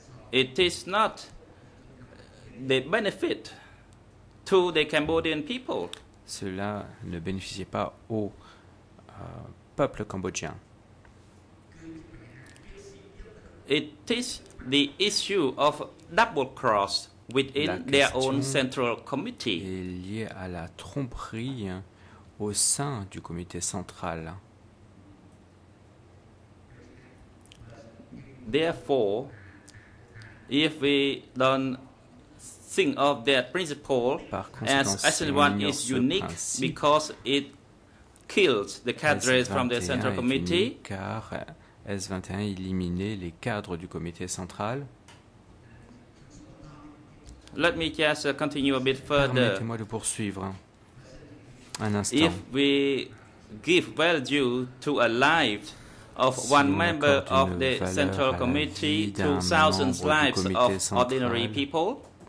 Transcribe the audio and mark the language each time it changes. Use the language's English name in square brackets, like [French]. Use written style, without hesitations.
[English] it is not the benefit to the Cambodian people. [French] Cela ne bénéficiait pas au peuple cambodgien. [English] It is the issue of double cross within their own central committee. [French] Est lié à la tromperie au sein du comité central. [English] Therefore, if we don't think of that principle as S21 is unique because it kills the cadres from the central committee. [French] Car S21 éliminait les cadres du comité central. [English] Let me just continue a bit further. [French] Permettez-moi de poursuivre un instant. [English] If we give value to a life of one member of the central committee to thousands of lives of ordinary people.